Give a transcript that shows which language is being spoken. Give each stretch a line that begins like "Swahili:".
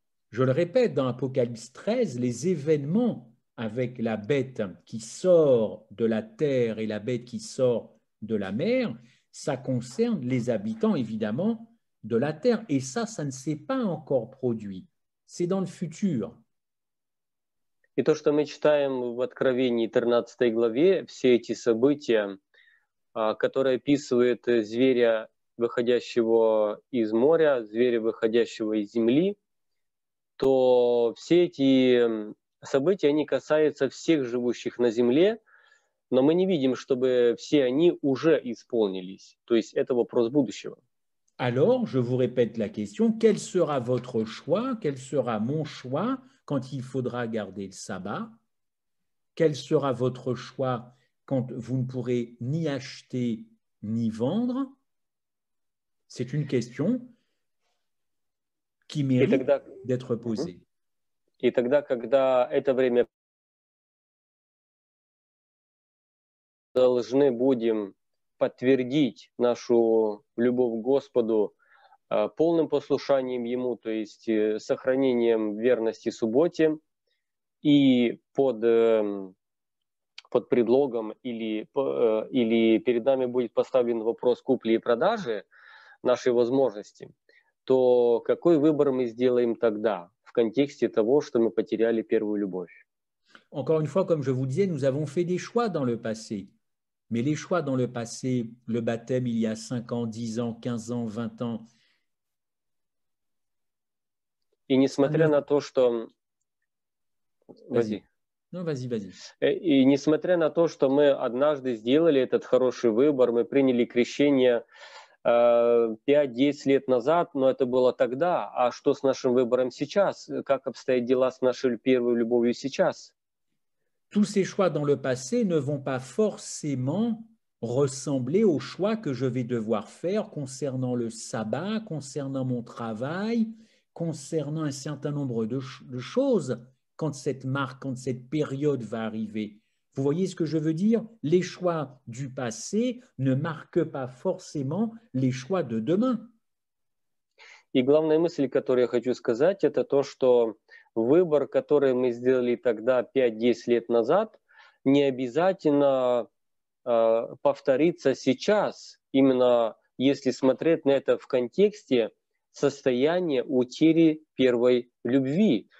French: Je le répète, dans Apocalypse 13, les événements avec la bête qui sort de la terre et la bête qui sort de la mer, ça concerne les habitants, évidemment, de la terre. Et ça, ça ne s'est pas encore produit. C'est dans le futur.
Russian: Et ce que nous lisons dans Откровение 13 главе, все эти события, которые описывают зверя, выходящего из моря, зверя, выходящего из земли, то все эти события, они касаются всех живущих на земле, но мы не видим, чтобы все они уже исполнились. То есть это вопрос будущего.
French: Alors, je vous répète la question, quel sera votre choix, quel sera mon choix quand il faudra garder le sabbat? Quel sera votre choix quand vous ne pourrez ni acheter ni vendre? C'est une question qui mérite d'être posée. Et
Russian: тогда, когда это время, должны будем подтвердить нашу любовь к Господу полным послушанием Ему, то есть сохранением верности субботе и под предлогом или перед нами будет поставлен вопрос купли и продажи нашей возможности, то какой выбор мы сделаем тогда в контексте того, что мы потеряли первую любовь?
French: Encore une fois, comme je vous disais, nous avons fait des choix dans le passé. Mais les choix dans le passé, le baptême il y a 5 ans, 10 ans, 15 ans, 20 ans. Et
Russian: несмотря на то, что...
French: Vas-y. Non, vas-y, vas-y.
Russian: И несмотря на то, что мы однажды сделали этот хороший выбор, мы приняли крещение 5-10 лет назад, но это было тогда. А что с нашим выбором сейчас? Как обстоят дела с нашей первой любовью сейчас?
French: Tous ces choix dans le passé ne vont pas forcément ressembler aux choix que je vais devoir faire concernant le sabbat, concernant mon travail, concernant un certain nombre de choses quand cette marque, quand cette période va arriver. Vous voyez ce que je veux dire? Les choix du passé ne marquent pas forcément les choix de demain. Et
Russian: главная мысль, которую я хочу сказать, это то, что выбор, который мы сделали тогда 5-10 лет назад, не обязательно повторится сейчас, именно если смотреть на это в контексте состояния утери первой любви.